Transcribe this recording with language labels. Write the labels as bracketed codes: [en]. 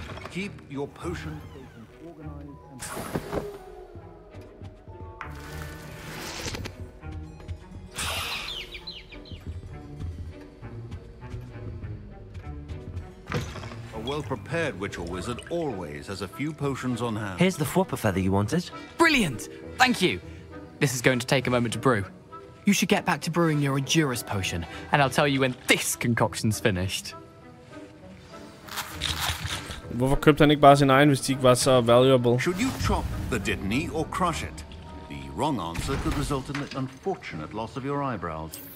[en] Keep your potion organized and... A well-prepared witch or wizard always has a few potions on hand. Here's the Fooper feather you wanted. Brilliant! Thank you! This is going to take a moment to brew. You should get back to brewing your Adurus potion, and I'll tell you when this concoction's finished. [da] Hvorfor købte han ikke bare sin egen, hvis de ikke var så valuable? [en] Should you chop the didney or crush it? The wrong answer could result in the unfortunate loss of your eyebrows.